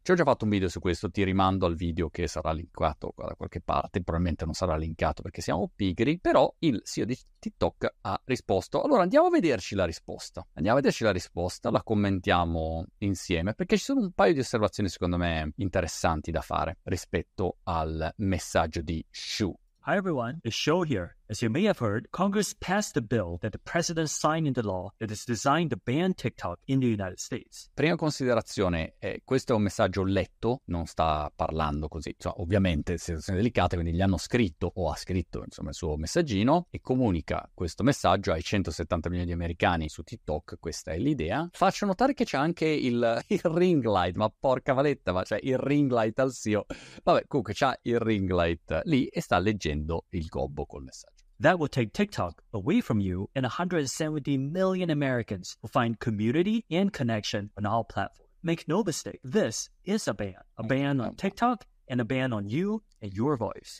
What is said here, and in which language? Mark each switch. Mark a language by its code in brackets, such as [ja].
[it] Ci ho già fatto un video su questo, ti rimando al video che sarà linkato qua da qualche parte, probabilmente non sarà linkato perché siamo pigri, però il CEO di TikTok ha risposto. Allora andiamo a vederci la risposta, la commentiamo insieme, perché ci sono un paio di osservazioni secondo me interessanti da fare rispetto al messaggio di Xu. [en] Hi everyone, it's Xu here. As you may have heard, Congress passed a bill that the president signed into law that is designed to ban TikTok in the United States. [it] Prima considerazione, questo è un messaggio letto, non sta parlando così. Cioè, ovviamente, situazione delicata, quindi gli hanno scritto o ha scritto, insomma, il suo messaggino e comunica questo messaggio ai 170 milioni di americani su TikTok, questa è l'idea. Faccio notare che c'è anche il ring light, ma porca valetta, ma c'è il ring light al CEO. Vabbè, comunque c'ha il ring light lì e sta leggendo il gobbo col messaggio. [en] That will take TikTok away from you and 170 million Americans who find community and connection on all platforms. Make no mistake, this is a ban on TikTok and a ban on you and your voice.